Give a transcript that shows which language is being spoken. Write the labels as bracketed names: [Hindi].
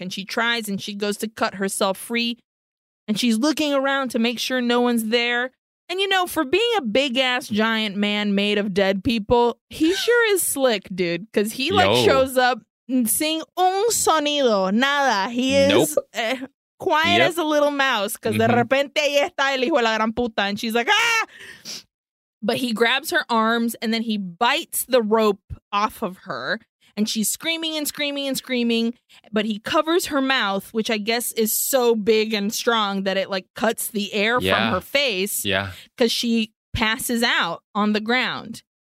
[English] And she tries and she goes to cut herself free. And she's looking around to make sure no one's there. And, you know, for being a big-ass giant man made of dead people, he sure is slick, dude. Because he, like, shows up [Spanish] sin un sonido, nada. [English] He is quiet as a little mouse. Because [Spanish] de repente ahí está el hijo de la gran puta. [English] And she's like, ah! But he grabs her arms and then he bites the rope off of her. And she's screaming and screaming and screaming, but he covers her mouth, which I guess is so big and strong that it like cuts the air from her face. Yeah. Because she passes out on the ground.